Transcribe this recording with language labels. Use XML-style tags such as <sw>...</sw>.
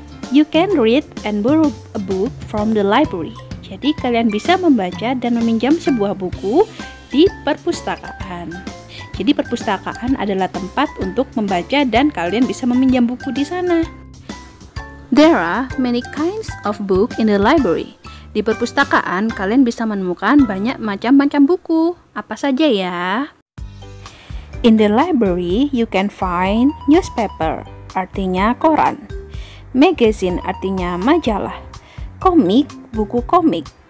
<en>You can read and borrow a book from the library.</en> <id>Jadi, kalian bisa membaca dan meminjam sebuah buku di perpustakaan. Jadi, perpustakaan adalah tempat untuk membaca dan kalian bisa meminjam buku di sana.</id> <en>There are many kinds of book in the library.</en> <id>Di perpustakaan, kalian bisa menemukan banyak macam-macam buku. Apa saja ya?</id> <en>In the library, you can find newspaper,</en> <id>artinya koran. Magazine, artinya majalah. Comic, buku komik.</id>